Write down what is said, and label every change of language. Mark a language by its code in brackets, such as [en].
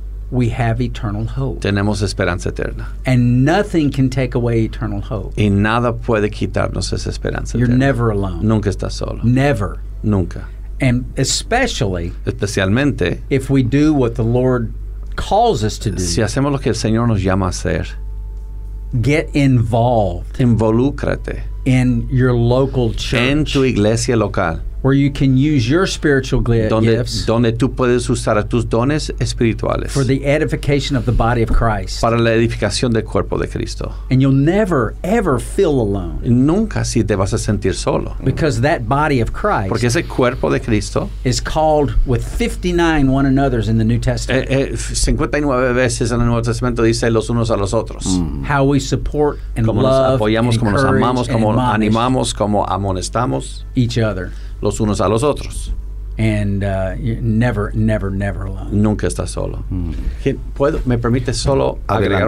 [en] We have eternal hope. [es] Tenemos esperanza eterna. [en] And nothing can take away eternal hope. [es] Y nada puede quitarnos esa esperanza [en] You're [es] eterna. [en] Never alone. [es] Nunca estás solo. [en] Never. [es] Nunca. [en] And especially, [es] especialmente, [en] if we do what the Lord calls us to do. [es] Si hacemos lo que el Señor nos llama a hacer. [en] Get involved. [es] Involúcrate. [en] In your local church. [es] En tu iglesia local. [en] Where you can use your spiritual gifts. [es] Donde tú puedes usar tus dones espirituales. [en] For the edification of the body of Christ. [es] Para la edificación del cuerpo de Cristo. [en] And you'll never, ever feel alone. [es] Nunca si te vas a sentir solo. [en] Because that body of Christ. [es] Porque ese cuerpo de Cristo. [en] Is called with 59 one another's in the New Testament. [es] 59 veces en el Nuevo Testamento dice los unos a los otros. [en] How we support and [es] como [en] love. [es] Nos apoyamos, [en] and [es] como [en] encourage, [es] nos amamos, como [en] admonish. [es] Animamos, como amonestamos. [en] Each other. [es] Los unos a los otros. [en] And never alone. [es] Nunca estás solo. ¿Puedo? ¿Me permite solo agregar